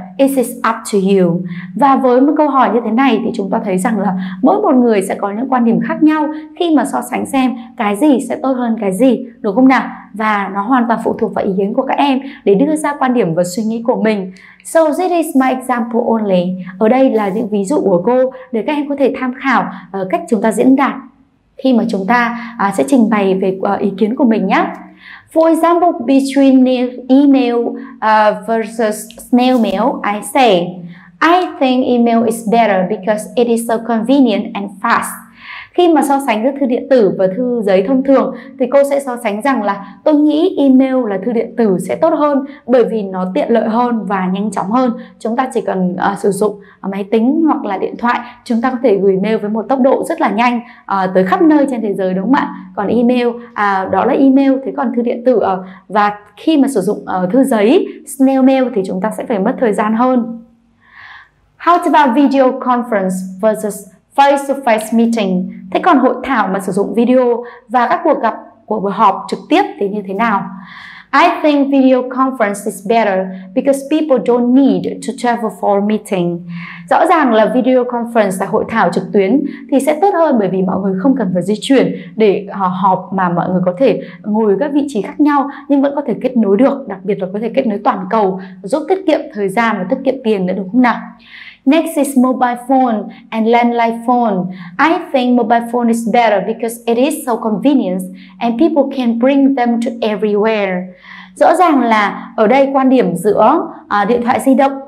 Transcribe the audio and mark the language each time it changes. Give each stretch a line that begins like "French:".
English: It is up to you.
Vietnamese: Và với một câu hỏi như thế này thì chúng ta thấy rằng là mỗi một người sẽ có những quan điểm khác nhau khi mà so sánh xem cái gì sẽ tốt hơn cái gì, đúng không nào? Và nó hoàn toàn phụ thuộc vào ý kiến của các em để đưa ra quan điểm và suy nghĩ của mình.
English: So this is my example only.
Vietnamese: Ở đây là những ví dụ của cô để các em có thể tham khảo cách chúng ta diễn đạt khi mà chúng ta sẽ trình bày về ý kiến của mình nhé.
English: For example, between email versus snail mail, I say, I think email is better because it is so convenient and fast.
Vietnamese: Khi mà so sánh giữa thư điện tử và thư giấy thông thường, thì cô sẽ so sánh rằng là tôi nghĩ email là thư điện tử sẽ tốt hơn bởi vì nó tiện lợi hơn và nhanh chóng hơn. Chúng ta chỉ cần sử dụng máy tính hoặc là điện thoại, chúng ta có thể gửi mail với một tốc độ rất là nhanh tới khắp nơi trên thế giới đúng không ạ? Còn email, đó là email, thế còn thư điện tử và khi mà sử dụng thư giấy, snail mail thì chúng ta sẽ phải mất thời gian hơn.
English: How about video conference versus face-to-face meeting?
Vietnamese: Thế còn hội thảo mà sử dụng video và các cuộc gặp của buổi họp trực tiếp thì như thế nào?
English: I think video conference is better because people don't need to travel for a meeting.
Vietnamese: Rõ ràng là video conference là hội thảo trực tuyến thì sẽ tốt hơn bởi vì mọi người không cần phải di chuyển để họp, mà mọi người có thể ngồi ở các vị trí khác nhau nhưng vẫn có thể kết nối được, đặc biệt là có thể kết nối toàn cầu, giúp tiết kiệm thời gian và tiết kiệm tiền nữa đúng không nào?
English: Next is mobile phone and landline phone. I think mobile phone is better because it is so convenient and people can bring them to everywhere.
Vietnamese: Rõ ràng là ở đây quan điểm giữa điện thoại di động